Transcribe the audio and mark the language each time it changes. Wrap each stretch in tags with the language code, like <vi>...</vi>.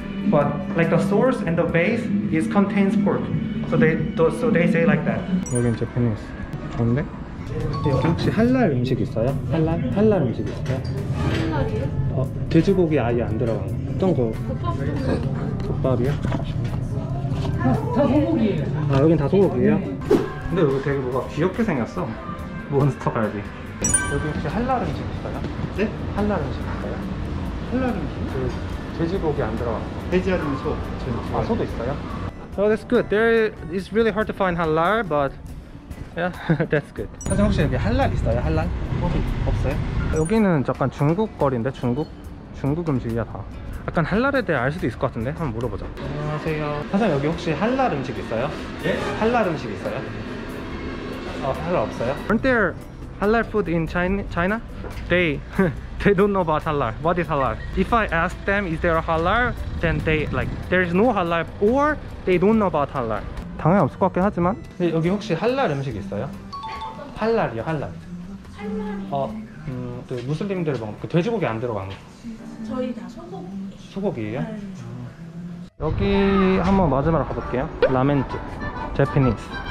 <en>But like the source and the base is contains pork. So they say like that.</en> <ko>여긴 Japanese. 뭔데? 여기 혹시 할랄 음식 있어요? 할랄? 할랄 음식 있어요? 할랄이요? 돼지고기 아예 안 들어간 거. 어떤 거? 국밥이요? 다 소고기예요. 아, 여긴 다 소고기예요? 근데 여기 되게 뭐가 귀엽게 생겼어. 몬스터 갈비. 여기 혹시 할랄 음식 있어요? 네? 할랄 음식 있어요? 할랄 음식? 돼지고기 안 들어간 거. 돼지 아니면 소. 아, 소도 있어요?</ko> <en>Oh, that's good. There is really hard to find halal, but yeah, that's good.</en> <ko>사장님 혹시 여기 할랄 있어요? 할랄? 없어요. 여기는 약간 중국 거리인데 중국 음식이야 다. 약간 할랄에 대해 알 수도 있을 것 같은데 한번 물어보자. 안녕하세요. 사장님 여기 혹시 할랄 음식 있어요? 예? 할랄 음식 있어요? 할랄 없어요?</ko> <en>Aren't there halal food in China? They don't know about halal. What is halal? If I ask them is there a halal, then they like there is no halal or they don't know about halal.</en> <ko>당연히 없을 것 같긴 하지만. 네, 여기 혹시 할랄 음식 있어요? 할랄이요, 할랄. 할랄이요. 무슬림들 먹는 그 돼지고기 안 들어간 거. 저희 다 소고기. 소고기예요? 네. 여기 한번 마지막으로 가볼게요. 라멘트, 제피니스.</ko>